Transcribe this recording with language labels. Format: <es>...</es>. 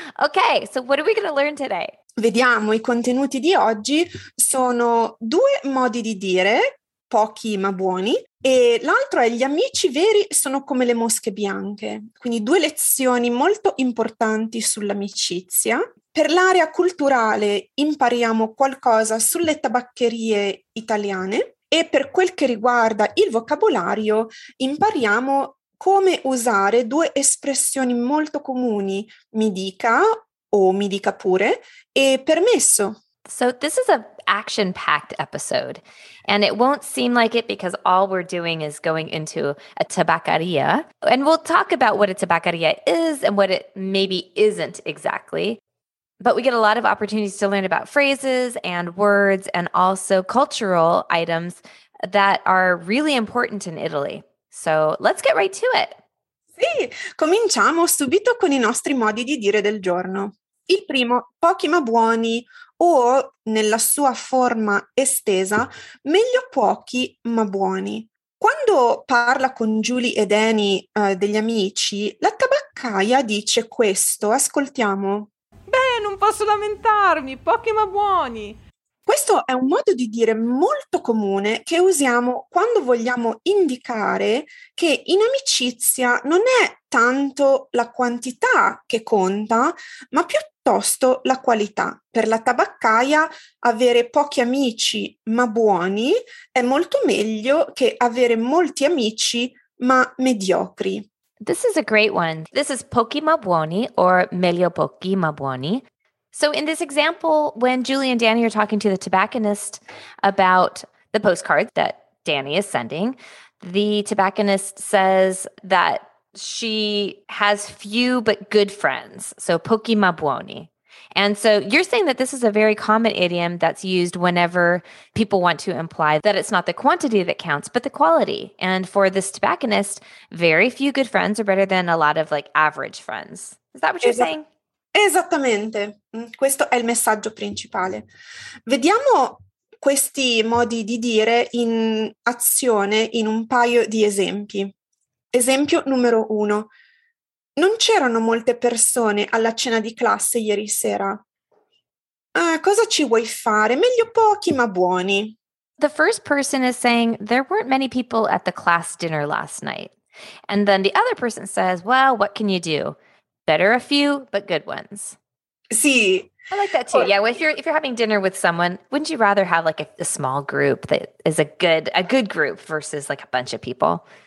<en>Okay, so what are we going to learn today?</en> <it>Vediamo, i contenuti di oggi sono due modi di dire, pochi ma buoni, e l'altro è gli amici veri sono come le mosche bianche. Quindi due lezioni molto importanti sull'amicizia. Per l'area culturale impariamo qualcosa sulle tabaccherie italiane e per quel che riguarda il vocabolario impariamo come usare due espressioni molto comuni, mi dica o mi dica pure, e permesso.</it> <en>So this is an action-packed episode, and it won't seem like it because all we're doing is going into a tabaccheria, and we'll talk about what a tabaccheria is and what it maybe isn't exactly. But we get a lot of opportunities to learn about phrases and words and also cultural items that are really important in Italy. So let's get right to it.</en> <it>Sì, cominciamo subito con i nostri modi di dire del giorno. Il primo, pochi ma buoni, o nella sua forma estesa, meglio pochi ma buoni. Quando parla con Julie e Danny degli amici, la tabaccaia dice questo, ascoltiamo. Beh, non posso lamentarmi, pochi ma buoni. Questo è un modo di dire molto comune che usiamo quando vogliamo indicare che in amicizia non è tanto la quantità che conta, ma piuttosto la qualità. Per la tabaccaia avere pochi amici ma buoni è molto meglio che avere molti amici ma mediocri.</it> <en>This is a great one. This is</en> <it>pochi ma buoni</it> <en>or</en> <it>meglio pochi ma buoni.</it> <en>So in this example, when Julie and Danny are talking to the tobacconist about the postcard that Danny is sending, the tobacconist says that she has few but good friends. So</en> <it>pochi ma buoni.</it> <en>And so you're saying that this is a very common idiom that's used whenever people want to imply that it's not the quantity that counts, but the quality. And for this tobacconist, very few good friends are better than a lot of like average friends. Is that what you're saying?</en> <it>Esattamente, questo è il messaggio principale. Vediamo questi modi di dire in azione in un paio di esempi. Esempio numero uno. Non c'erano molte persone alla cena di classe ieri sera. Cosa ci vuoi fare? Meglio pochi ma buoni.</it> <en>The first person is saying there weren't many people at the class dinner last night. And then the other person says, well, what can you do? Better a few, but good ones.</en> <it>Sì.</it> <en>I like that too. Yeah, well, if you're having dinner with someone, wouldn't you rather have like a small group that is a good group versus like a bunch of people?</en>